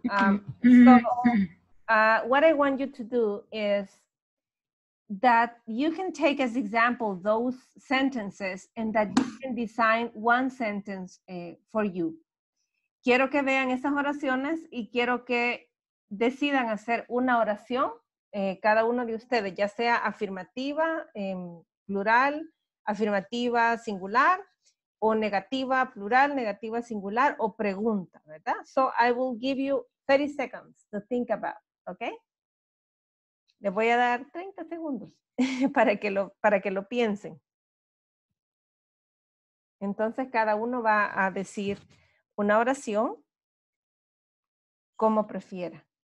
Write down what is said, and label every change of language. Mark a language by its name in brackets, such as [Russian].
[English] What I want you to do is that you can take as example those sentences and that you can design one sentence for you. [Spanish] Quiero que vean esas oraciones y quiero que decidan hacer una oración, cada uno de ustedes, ya sea afirmativa, plural, afirmativa, singular, o negativa, plural, negativa, singular, o pregunta, ¿verdad? [English] So I will give you 30 seconds to think about, okay? [Spanish] Les voy a dar 30 segundos para que lo piensen. Entonces cada uno va a decir una oración como prefiera.